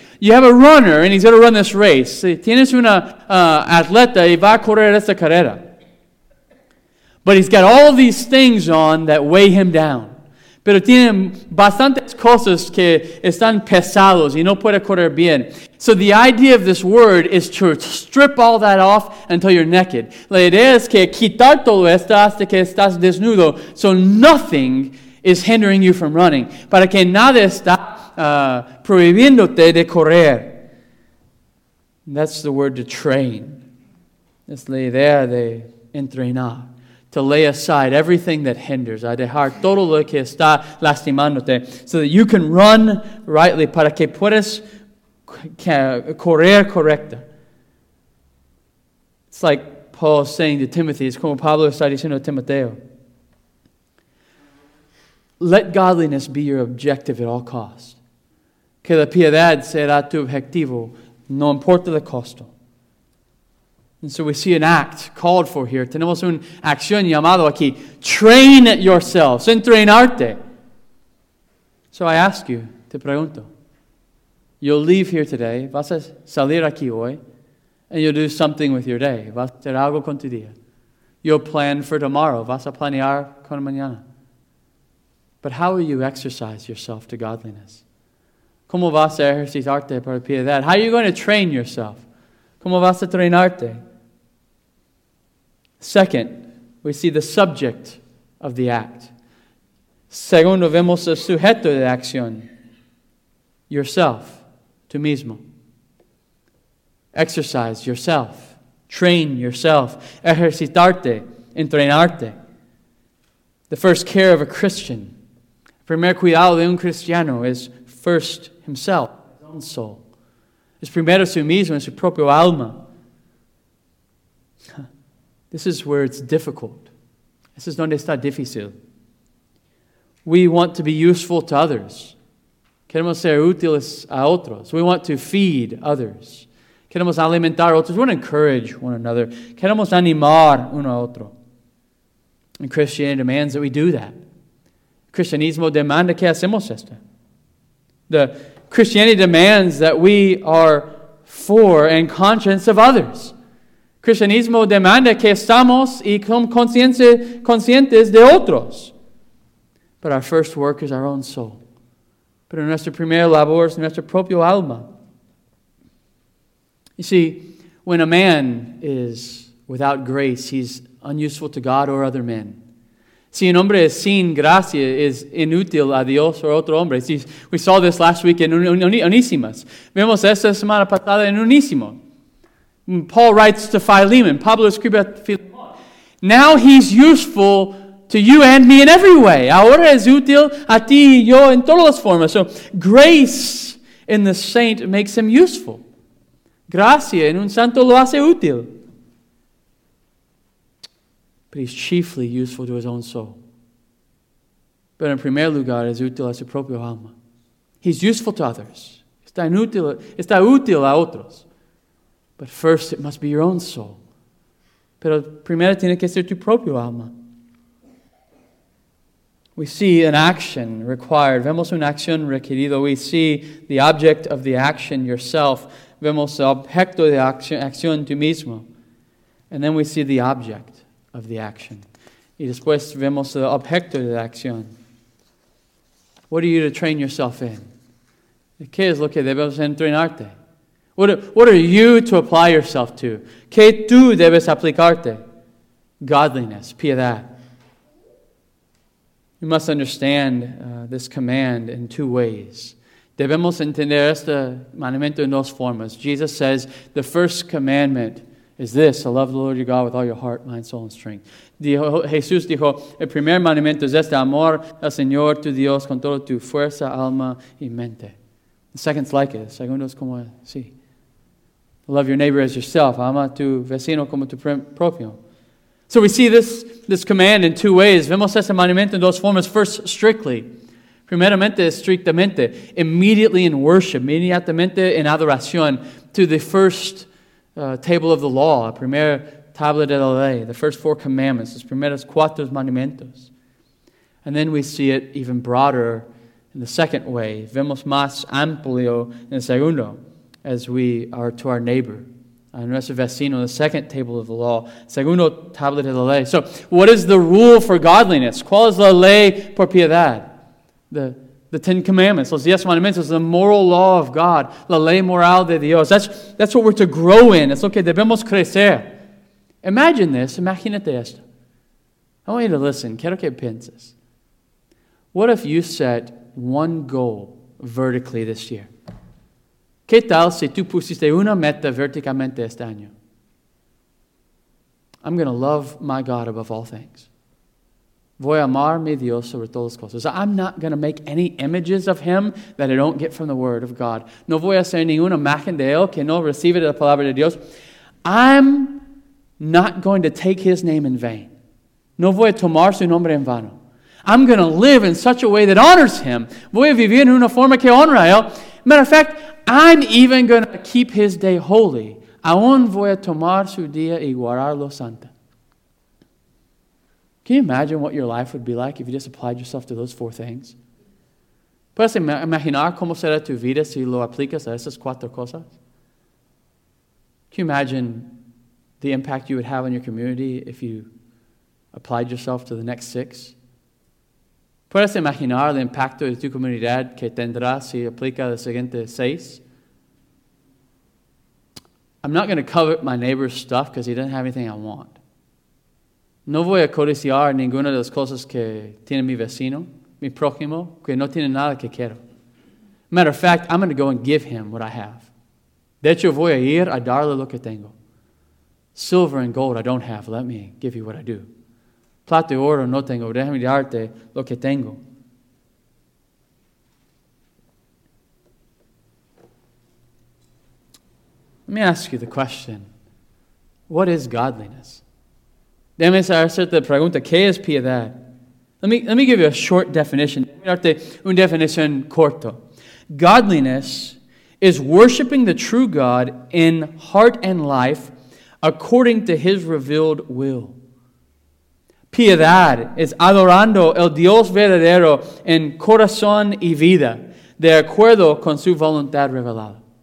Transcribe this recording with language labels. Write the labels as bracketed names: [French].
[English] You have a runner and he's going to run this race. [Spanish] Tienes una atleta y va a correr esta carrera. [English] But he's got all these things on that weigh him down. [Spanish] Pero tienen bastantes cosas que están pesados y no puede correr bien. [English] So the idea of this word is to strip all that off until you're naked. [Spanish] La idea es que quitar todo esto hasta que estás desnudo. [English] So nothing is hindering you from running. [Spanish] Para que nada está prohibiéndote de correr. [English] That's the word to train. [Spanish] Es la idea de entrenar. [English] To lay aside everything that hinders. [Spanish] A dejar todo lo que está lastimándote. [English] So that you can run rightly. [Spanish] Para que puedas correr correcta. [English] It's like Paul saying to Timothy. [Spanish] Es como Pablo está diciendo a Timoteo. [English] Let godliness be your objective at all costs. [Spanish] Que la piedad será tu objetivo, no importa el costo. [English] And so we see an act called for here. [Spanish] Tenemos una acción llamada aquí. [English] Train yourselves. [Spanish] Entrenarte. [English] So I ask you, [Spanish] te pregunto. [English] You'll leave here today. [Spanish] Vas a salir aquí hoy. [English] And you'll do something with your day. [Spanish] Vas a hacer algo con tu día. [English] You'll plan for tomorrow. [Spanish] Vas a planear con mañana. [English] But how will you exercise yourself to godliness? [Spanish] ¿Cómo vas a ejercitarte para piedad? [English] How are you going to train yourself? [Spanish] ¿Cómo vas a entrenarte? [English] Second, we see the subject of the act. [Spanish] Segundo, vemos el sujeto de acción. [English] Yourself, [Spanish] tú mismo. [English] Exercise yourself. Train yourself. [Spanish] Ejercitarte, entrenarte. [English] The first care of a Christian. [Spanish] Primer cuidado de un cristiano es [English] first himself, his own soul. [Spanish] Es primero su mismo, su propio alma. [English] This is where it's difficult. This is [Spanish] donde está difícil. [English] We want to be useful to others. [Spanish] Queremos ser útiles a otros. [English] We want to feed others. [Spanish] Queremos alimentar otros. [English] We want to encourage one another. [Spanish] Queremos animar uno a otro. [English] And Christianity demands that we do that. [Spanish] Cristianismo demanda que hacemos esto. [English] The Christianity demands that we are for and conscience of others. [Spanish] Cristianismo demanda que estamos y conscientes de otros. [English] But our first work is our own soul. [Spanish] Pero nuestra primera labor es nuestro propio alma. [English] You see, when a man is without grace, he's unuseful to God or other men. [Spanish] Si un hombre es sin gracia, es inútil a Dios o otro hombre. Si, [English] we saw this last week in Onísimas. [Spanish] Vemos esta semana pasada en Onísimo. [English] Paul writes to Philemon. [Spanish] Pablo escribe a Philemon. [English] Now he's useful to you and me in every way. [Spanish] Ahora es útil a ti y yo en todas las formas. [English] So grace in the saint makes him useful. [Spanish] Gracia en un santo lo hace útil. [English] But he's chiefly useful to his own soul. But in [Spanish] primer lugar, es útil a su propio alma. [English] He's useful to others. [Spanish] Está útil a otros. [English] But first, it must be your own soul. [Spanish] Pero primero tiene que ser tu propio alma. [English] We see an action required. [Spanish] Vemos una acción requerida. [English] We see the object of the action, yourself. [Spanish] Vemos el objeto de acción, tú mismo. [English] And then we see the object of the action. [Spanish] Y después vemos el objeto de la acción. [English] What are you to train yourself in? [Spanish] ¿Qué es lo que debes entrenarte? [English] What are you to apply yourself to? [Spanish] ¿Qué tú debes aplicarte? [English] Godliness, piedad. You must understand this command in two ways. [Spanish] Debemos entender este mandamiento en dos formas. [English] Jesus says, the first commandment is this, to love the Lord your God with all your heart, mind, soul, and strength. [Spanish] Jesús dijo, el primer mandamiento es este, amor al Señor tu Dios con toda tu fuerza, alma y mente. [English] The second is like it. [Spanish] El segundo es como así. [English] Love your neighbor as yourself. [Spanish] Ama tu vecino como tu propio. [English] So we see this command in two ways. [Spanish] Vemos este mandamiento en dos formas. [English] First, strictly. [Spanish] Primeramente, estrictamente. [English] Immediately in worship. [Spanish] Inmediatamente en adoración. [English] To the first table of the law, [Spanish] la primera tabla de la ley, [English] the first four commandments, [Spanish] los primeros cuatro mandamientos. [English] And then we see it even broader in the second way. [Spanish] Vemos más amplio en el segundo, [English] as we are to our neighbor, [Spanish] a nuestro vecino, [English] the second table of the law, [Spanish] segundo tabla de la ley. [English] So, what is the rule for godliness? [Spanish] ¿Cuál es la ley por piedad? [English] The Ten Commandments, [Spanish] los diez mandamientos, [English] the moral law of God, [Spanish] la ley moral de Dios. [English] That's what we're to grow in. It's okay, [Spanish] debemos crecer. [English] Imagine this, [Spanish] imagínate esto. [English] I want you to listen. [Spanish] Quiero que pienses. [English] What if you set one goal vertically this year? [Spanish] ¿Qué tal si tú pusiste una meta verticalmente este año? [English] I'm going to love my God above all things. [Spanish] Voy a amar mi Dios sobre todas las cosas. [English] I'm not going to make any images of him that I don't get from the Word of God. [Spanish] No voy a hacer ninguna imagen de él que no recibe de la palabra de Dios. [English] I'm not going to take his name in vain. [Spanish] No voy a tomar su nombre en vano. [English] I'm going to live in such a way that honors him. [Spanish] Voy a vivir en una forma que honra a él. [English] Matter of fact, I'm even going to keep his day holy. [Spanish] Aún voy a tomar su día y guardarlo santo. [English] Can you imagine what your life would be like if you just applied yourself to those four things? [Spanish] ¿Puedes imaginar cómo será tu vida si lo aplicas a esas cuatro cosas? [English] Can you imagine the impact you would have on your community if you applied yourself to the next six? [Spanish] ¿Puedes imaginar el impacto de tu comunidad que tendrás si aplicas los siguientes seis? [English] I'm not going to covet my neighbor's stuff because he doesn't have anything I want. [Spanish] No voy a codiciar ninguna de las cosas que tiene mi vecino, mi prójimo, que no tiene nada que quiero. [English] Matter of fact, I'm going to go and give him what I have. [Spanish] De hecho, voy a ir a darle lo que tengo. [English] Silver and gold I don't have. Let me give you what I do. [Spanish] Plata y oro no tengo. Déjame darte lo que tengo. [English] Let me ask you the question, what is godliness? [Spanish] Déjame hacerte la pregunta, ¿qué es piedad? [English] Let me give you a short definition. [Spanish] Déjame darte una definición corta. [English] Godliness is worshiping the true God in heart and life according to his revealed will. [Spanish] Piedad es adorando el Dios verdadero en corazón y vida de acuerdo con su voluntad revelada.